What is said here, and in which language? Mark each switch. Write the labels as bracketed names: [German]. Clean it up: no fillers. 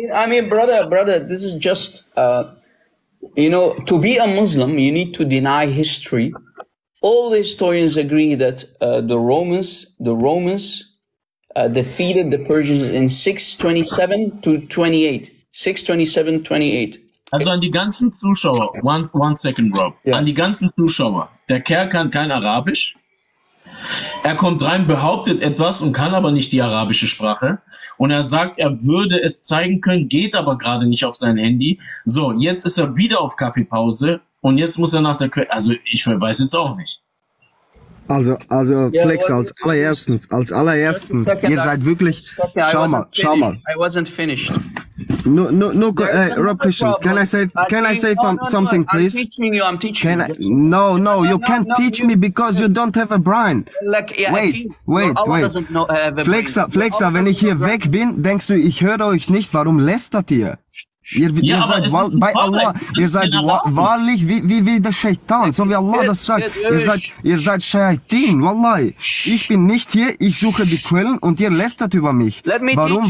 [English] I mean, brother, this is just, to be a Muslim, you need to deny history. All the historians agree that the Romans defeated the Persians in 627 to 28. 627-28. [German] Also an die ganzen Zuschauer, [English] one second, Rob. Yeah. [German] An die ganzen Zuschauer, der Kerl kann kein Arabisch. Er kommt rein, behauptet etwas und kann aber nicht die arabische Sprache. Und er sagt, er würde es zeigen können, geht aber gerade nicht auf sein Handy. So, jetzt ist er wieder auf Kaffeepause und jetzt muss er nach der Quelle. Also, ich weiß jetzt auch nicht. Also Flex, als allererstens, ihr seid wirklich. Schau mal. [English] I wasn't finished. No, Rob Christian, can I say something, please? I'm teaching you. No, you can't teach me because you don't have a brain. Wait. [German] Flexa, wenn ich hier weg bin, denkst du, ich höre euch nicht, warum lästert ihr? Ihr seid wahrlich wie der Scheitan, so wie Allah das sagt. Ihr seid Scheitin, wallahi. Ich bin nicht hier, ich suche die Quellen und ihr lästert über mich. Warum?